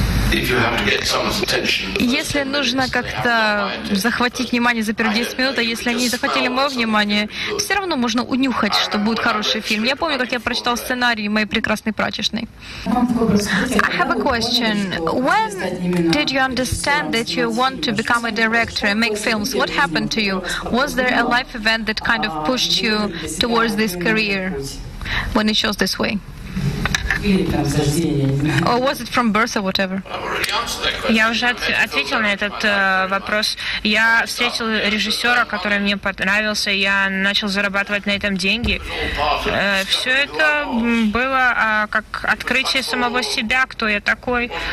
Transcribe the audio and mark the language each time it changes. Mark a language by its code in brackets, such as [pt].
[ru] Если нужно как-то захватить внимание за первые 10 минут, а если они захватили мое внимание, все равно можно унюхать, что будет хороший фильм. Я помню, как я прочитал сценарий моей прекрасной прачечной. [en] I have a question. When did you understand that you want to become a director and make films? What happened to you? Was there a life event that kind of pushed you towards this career when it shows this way? Or was it from birth or whatever? [ru] Я уже ответил на этот вопрос. Я встретил режиссера, который мне понравился, я начал зарабатывать на этом деньги. Все это было как открытие самого себя, кто я такой.